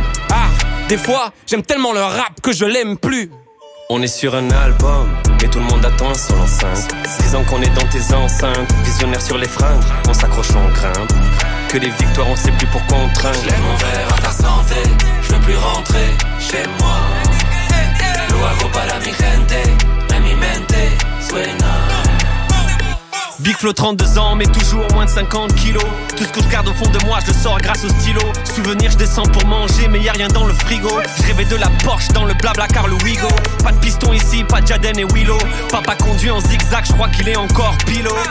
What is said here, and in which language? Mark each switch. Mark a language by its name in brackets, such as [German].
[French] Ah, des fois, j'aime tellement leur rap que je l'aime plus. On est sur un album, et tout le monde attend son enceinte. 6 ans qu'on est dans tes enceintes, visionnaire sur les fringues, on s'accroche, on grimpe. Que les victoires, on sait plus pourquoi on trinque. J'lève mon verre à ta santé, je veux plus rentrer chez moi. [Spanish] Lo hago para mi gente, en mi mente suena. [French] Big Flo 32 ans, mais toujours moins de 50 kilos. Tout ce que je garde au fond de moi, je le sors grâce au stylo. Souvenir, je descends pour manger, mais y'a rien dans le frigo. Je rêvais de la Porsche dans le blabla car le Wigo. Pas de piston ici, pas de Jaden et Willow. Papa conduit en zigzag, je crois qu'il est encore pilote.